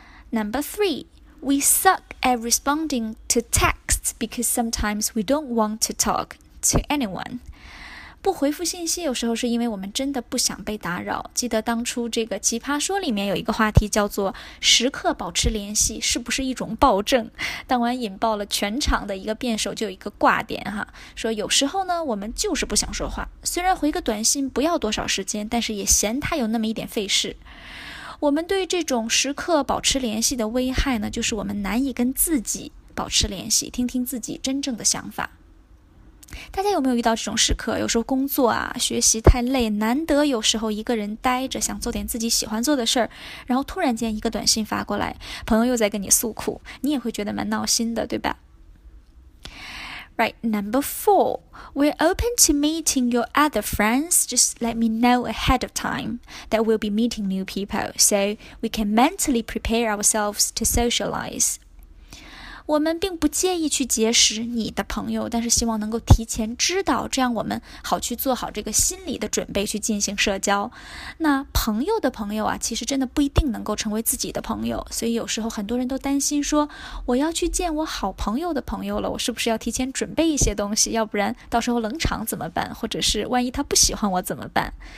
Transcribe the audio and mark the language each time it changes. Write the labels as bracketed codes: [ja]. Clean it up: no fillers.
[en] Number three, we suck at responding to texts because sometimes we don't want to talk to anyone. [zh] 不回复信息有时候是因为我们真的不想被打扰。记得当初这个奇葩说里面有一个话题叫做时刻保持联系是不是一种暴政，当晚引爆了全场的一个辩手，就有一个挂点哈，说有时候呢我们就是不想说话，虽然回个短信不要多少时间，但是也嫌它有那么一点费事。我们对这种时刻保持联系的危害呢，就是我们难以跟自己保持联系，听听自己真正的想法。大家有没有遇到这种时刻，有时候工作啊学习太累，难得有时候一个人待着，想做点自己喜欢做的事儿，然后突然间一个短信发过来，朋友又在跟你诉苦，你也会觉得蛮闹心的，对吧？ [en] Right, number four, we're open to meeting your other friends, just let me know ahead of time that we'll be meeting new people, so we can mentally prepare ourselves to socialize. [zh] 我们并不介意去结识你的朋友，但是希望能够提前知道，这样我们好去做好这个心理的准备去进行社交。那朋友的朋友啊，其实真的不一定能够成为自己的朋友，所以有时候很多人都担心说，我要去见我好朋友的朋友了，我是不是要提前准备一些东西，要不然到时候冷场怎么办，或者是万一他不喜欢我怎么办。